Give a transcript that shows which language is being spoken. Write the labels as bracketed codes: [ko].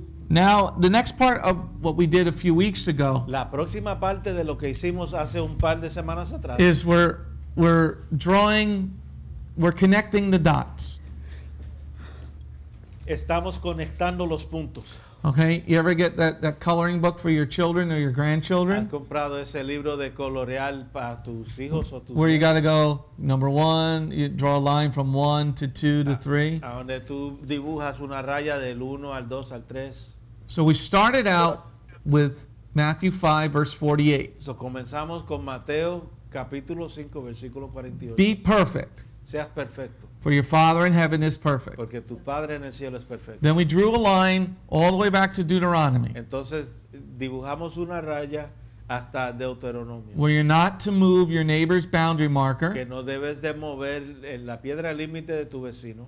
[en] Now, the next part of what we did a few weeks ago. [es] La próxima parte de lo que hicimos hace un par de semanas atrás. [en] Is we're connecting the dots. [es] Estamos conectando los puntos. [en] Okay, you ever get that coloring book for your children or your grandchildren? [es] ¿Has comprado ese libro de colorear para tus hijos o tus? [en] Where you gotta go? Number one, you draw a line from 1 to 2 to 3. [es] A donde tú dibujas una raya del 1 al 2 al 3. [en] So we started out with Matthew 5 verse 48. [es] So comenzamos con Mateo capítulo 5 versículo 48. [en] Be perfect. [es] Seas perfecto. [en] For your Father in heaven is perfect. [es] Porque tu Padre en el cielo es perfecto. [en] Then we drew a line all the way back to Deuteronomy. [es] Entonces dibujamos una raya hasta Deuteronomio. [en] Where you're not to move your neighbor's boundary marker. [es] Que no debes de mover la piedra límite de tu vecino.